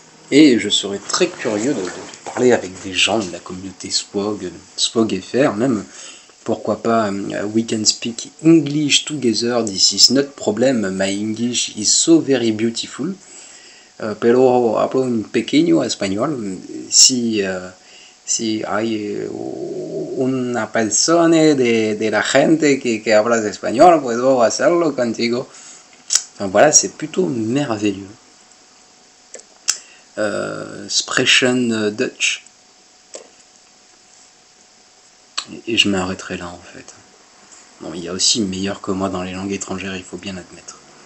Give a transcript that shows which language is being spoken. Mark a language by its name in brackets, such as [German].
[French] Et je serais très curieux de parler avec des gens de la communauté SPOG FR, même pourquoi pas [English] we can speak English together, this is not problem, my English is so very beautiful. [Spanish] Pero hablo un pequeño español. Si hay una persona de la gente que habla español, puedo hacerlo contigo. [French] Donc voilà, c'est plutôt merveilleux. [German] Sprechen Dutch. [French] Et je m'arrêterai là en fait. Bon, il y a aussi meilleur que moi dans les langues étrangères, il faut bien l'admettre.